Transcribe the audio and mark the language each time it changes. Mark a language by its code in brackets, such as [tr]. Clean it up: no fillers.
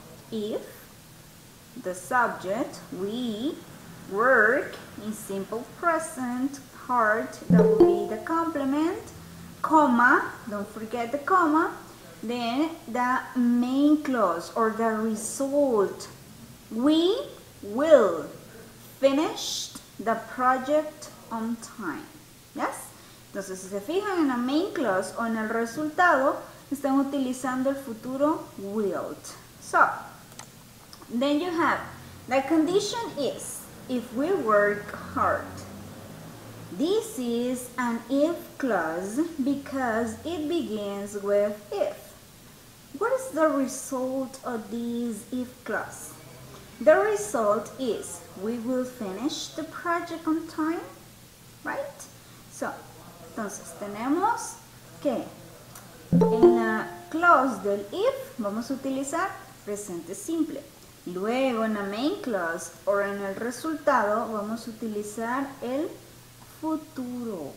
[en] If the subject, we work in simple present, hard, that would be the complement, comma, don't forget the comma, then the main clause or the result, we will finish the project on time. Yes? [es] Entonces, si se fijan en la main clause o en el resultado, están utilizando el futuro will. [en] So, then you have, the condition is, if we work hard. This is an if clause because it begins with if. What is the result of this if clause? The result is we will finish the project on time, right? [es] So, entonces tenemos que en la clause del if vamos a utilizar presente simple. Luego, en la main clause o en el resultado, vamos a utilizar el futuro.